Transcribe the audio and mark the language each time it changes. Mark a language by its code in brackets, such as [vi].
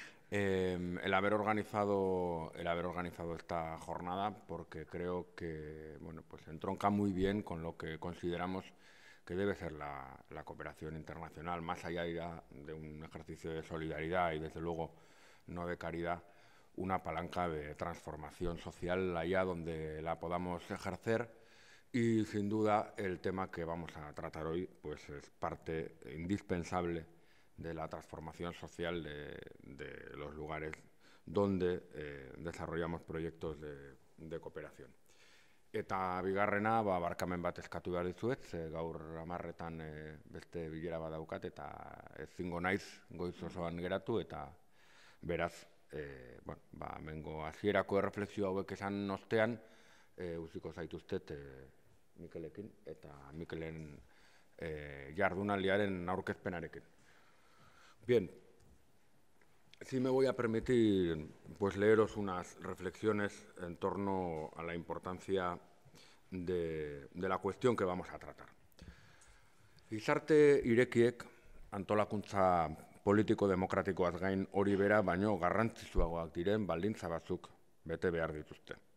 [es] el haber organizado esta jornada, porque creo que entronca muy bien con lo que consideramos que debe ser la cooperación internacional, más allá de un ejercicio de solidaridad y desde luego no de caridad, una palanca de transformación social allá donde la podamos ejercer. Y, sin duda, el tema que vamos a tratar hoy es parte indispensable de la transformación social de los lugares donde desarrollamos proyectos de cooperación. [eu] Eta bigarrena, barkamen bat eskatu behar dizuet, gaur amarretan beste bilera bat daukat, eta ezingo naiz goiz osoan geratu, eta beraz, mengo hasierako erreflexio hauek esan ostean, uziko zaituztet, Mikelekin eta Mikelen jardunaldiaren aurkezpenarekin. [es] Bien, si me voy a permitir, leeros unas reflexiones en torno a la importancia de la cuestión que vamos a tratar. [eu] Gizarte irekiek, antolakuntza politiko-demokratikoaz gain hori bera, baino garrantzitsuagoak diren baldintza batzuk bete behar dituzte.